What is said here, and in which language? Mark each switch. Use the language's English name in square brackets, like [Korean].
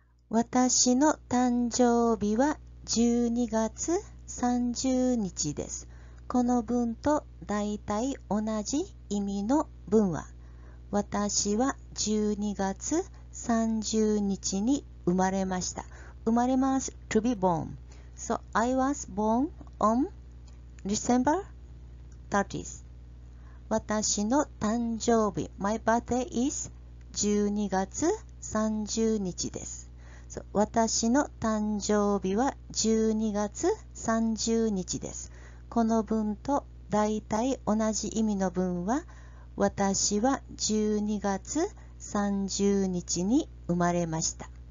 [Japanese] 私の誕生日は12月30日です。この文と大体同じ意味の文は、私は12月30日に生まれました。生まれます。 [English] To be born. So, I was born on December 30th. [Japanese] 私の誕生日、 [English] My birthday is [Japanese] 12月30日です。私の誕生日は12月30日です。この文と大体同じ意味の文は、私は12月30日に生まれました。